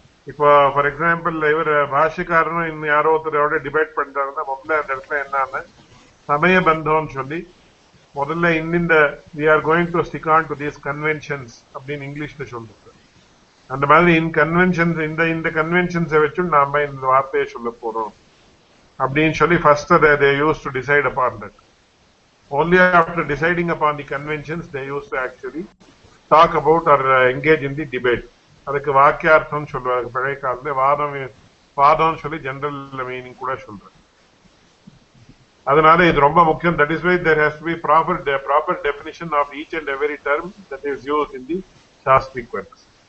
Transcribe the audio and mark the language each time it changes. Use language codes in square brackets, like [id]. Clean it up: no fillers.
[ta] இப்போ for example இவர் பாஷ்யக்காரனும் இன்னும் யாரோ ஒருத்தரோட டிபேட் பண்றாருன்னா முதல்ல அந்த இடத்துல என்னன்னு சமய பந்தம் சொல்லி முதல்ல [en] in we are going to stick on to these conventions [ta] அப்படின்னு இங்கிலீஷ்ல சொல்லிருக்கு. அந்த மாதிரி இன் கன்வென்ஷன்ஸ், இந்த கன்வென்ஷன்ஸை வச்சு நாம இந்த வார்த்தையை சொல்ல போறோம் அப்படின்னு சொல்லி ஃபர்ஸ்ட் அதை [en] They use to decide upon that. Only after deciding upon the conventions, they used to actually talk about or engage in the debate. [ta] அதுக்கு வாக்கியார்த்தம் சொல்லுவாங்க பழைய காலத்துல, வாதம் வாதம் சொல்லி ஜெனரல் மீனிங் கூட சொல்றாங்க. அதனால இது ரொம்ப முக்கியம். [en] That is why there has to be proper proper definition of each and every term that is use in the shastric works.